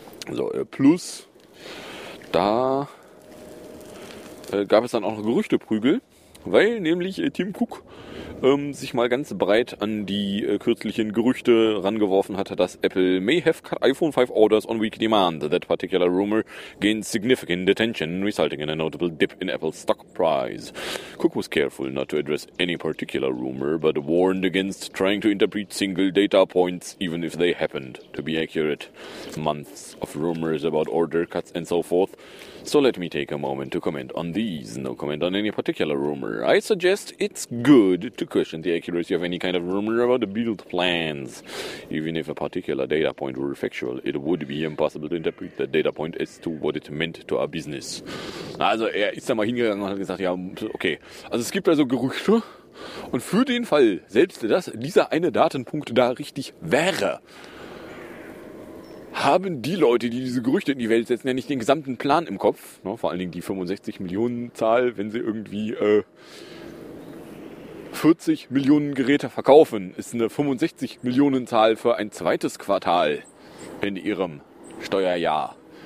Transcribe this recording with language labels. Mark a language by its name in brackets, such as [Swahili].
[German] So, plus, da gab es dann auch noch Gerüchteprügel, weil nämlich Tim Cook sich mal ganz breit an die kürzlichen Gerüchte rangeworfen hat, dass [English] Apple may have cut iPhone 5 orders on weak demand. That particular rumor gained significant attention, resulting in a notable dip in Apple's stock price. Cook was careful not to address any particular rumor, but warned against trying to interpret single data points, even if they happened to be accurate. Months of rumors about order cuts and so forth. So let me take a moment to comment on these. No comment on any particular rumor. I suggest it's good to question the accuracy of any kind of rumor about the build plans. Even if a particular data point were factual, it would be impossible to interpret that data point as to what it meant to our business. [German] Also er ist da mal hingegangen und hat gesagt, ja, okay. Also es gibt also Gerüchte. Und für den Fall, selbst dass dieser eine Datenpunkt da richtig wäre, haben die Leute, die diese Gerüchte in die Welt setzen, ja nicht den gesamten Plan im Kopf. Ne? Vor allen Dingen die 65-Millionen-Zahl, wenn sie irgendwie 40 Millionen Geräte verkaufen, ist eine 65-Millionen-Zahl für ein zweites Quartal in ihrem Steuerjahr.